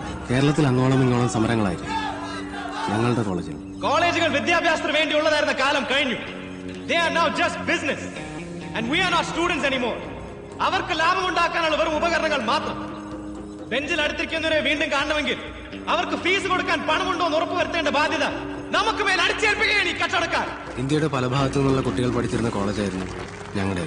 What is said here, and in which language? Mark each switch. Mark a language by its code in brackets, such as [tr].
[ml] കേരളത്തിൽ അങ്ങോളം ഇങ്ങോളം സമരങ്ങളായിരുന്നു ഞങ്ങളുടെ കോളേജിൽ. കോളേജുകൾ വിദ്യാഭ്യാസത്തിന് വേണ്ടിയുള്ളതായിരുന്ന കാലം കഴിഞ്ഞു. [en] They are now just business and we are not students anymore. [ml] അവർക്ക് ലാഭം ഉണ്ടാക്കാനുള്ള വെറും ഉപകരണങ്ങൾ മാത്രം. ബെഞ്ചിൽ അടുത്തിരിക്കുന്നവരെ വീണ്ടും കാണണമെങ്കിൽ അവർക്ക് ഫീസ് കൊടുക്കാൻ പണമുണ്ടോ എന്ന് ഉറപ്പുവരുത്തേണ്ട ബാധ്യത നമുക്ക് മേൽ അടിച്ചേൽപ്പിക്കുകയാണ് ഈ കച്ചവടക്കാർ. ഇന്ത്യയുടെ പല ഭാഗത്തു നിന്നുള്ള കുട്ടികൾ പഠിച്ചിരുന്ന കോളേജായിരുന്നു ഞങ്ങളുടെ.